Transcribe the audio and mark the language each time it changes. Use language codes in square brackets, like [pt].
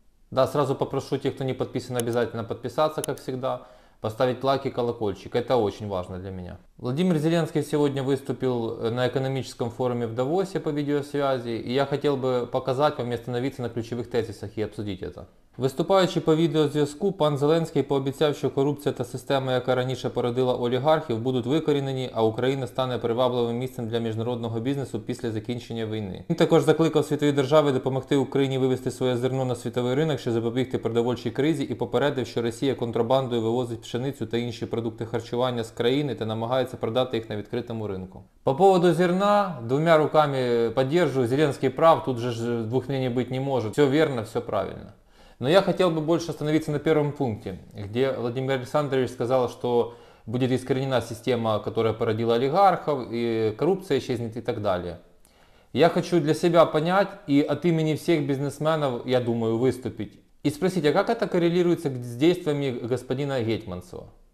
[ru] Да, сразу попрошу тех, кто не подписан, обязательно подписаться, как всегда. Поставить лайк и колокольчик. Это очень важно для меня. Владимир Зеленский сегодня выступил на экономическом форуме в Давосе по видеосвязи. И я хотел бы показать вам и остановиться на ключевых тезисах и обсудить это. [uk] Виступаючи по відеозв'язку, пан Зеленський пообіцяв, що корупція та система, яка раніше породила олігархів, будуть викорінені, а Україна стане привабливим місцем для міжнародного бізнесу після закінчення війни. Він також закликав світові держави допомогти Україні вивести своє зерно на світовий ринок, щоб запобігти продовольчій кризі, і попередив, що Росія контрабандою вивозить пшеницю та інші продукти харчування з країни та намагається продати їх на відкритому ринку. [ru] По поводу зерна, [uk] двома руками підтримую, Зеленський прав, тут же двох мнений бути не може. Все вірно, все правильно. [ru] Но я хотел бы больше остановиться на первом пункте, где Владимир Александрович сказал, что будет искоренена система, которая породила олигархов, и коррупция исчезнет и так далее. Я хочу для себя понять и от имени всех бизнесменов, я думаю, выступить и спросить, а как это коррелируется с действиями господина Гетманцева?